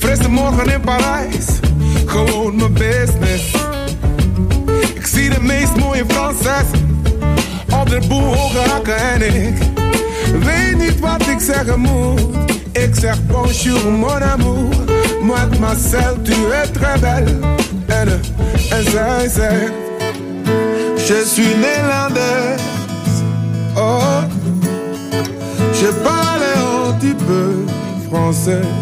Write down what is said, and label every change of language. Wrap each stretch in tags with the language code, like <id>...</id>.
<nl>Morgen in Parijs, gewoon mijn business. Ik zie de meest mooie Franses op de boel hoge hakken en ik weet niet wat ik zeggen moet. Ik zeg</nl> <fr>bonjour mon amour, mademoiselle tu es très belle.</fr> <nl>En zij zegt,</nl> <fr>je suis Nederlandaise. Oh, je parle un petit peu français.</fr>